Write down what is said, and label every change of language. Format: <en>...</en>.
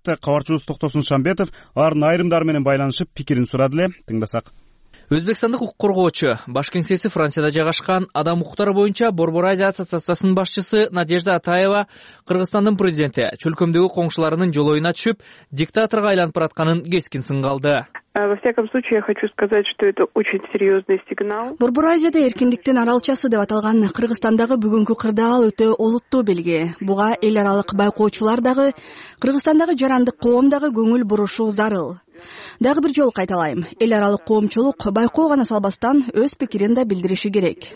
<ky>Кабарчыбыз Токтосун Шамбетов алардын айрымдары менен байланышып пикирин сурады эле, тыңдасак. Өзбекстандык укук коргоочу, баш кеңсеси Францияда жайгашкан адам укуктары боюнча Борбор Азия ассоциациясынын башчысы Надежда Атаева Кыргызстандын президенти чөлкөмдөгү коңшуларынын жолоюна түшүп, диктаторго айланып баратканын кескин сынга алды.</ky> <ru>Во всяком случае, я хочу сказать, что это очень серьезный сигнал.</ru> <ky>Борбор Азияда эркиндиктин аралчасы деп аталган Кыргызстандагы бүгүнкү кырдаал өтө олуттуу белги. Буга эл аралык байкоочулар дагы, Кыргызстандагы жарандык коом дагы көңүл бурушу зарыл. Дагы бир жолу кайталайм. Эл аралык коомчулук байкоо гана салбастан өз пикирин да билдириши керек.</ky>